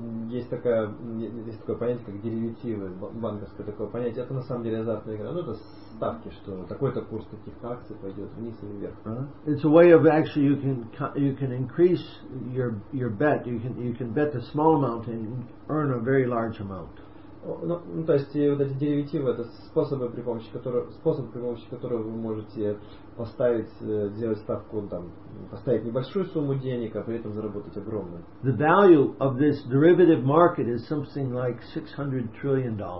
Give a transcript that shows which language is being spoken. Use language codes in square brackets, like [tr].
[ru] Есть такое понятие, как деривативы, банковское такое понятие. Это на самом деле азартная игра. Ну, это ставки, что такой-то курс таких акций пойдет вниз или вверх. [en] It's a way of actually you can increase your bet. You can bet a small amount and earn a very large amount. [ru] Ну, то есть вот эти деривативы это способ при помощи которого вы можете сделать ставку, там, поставить небольшую сумму денег, а при этом заработать огромную. [en] The value of this derivative market is something like $600 trillion.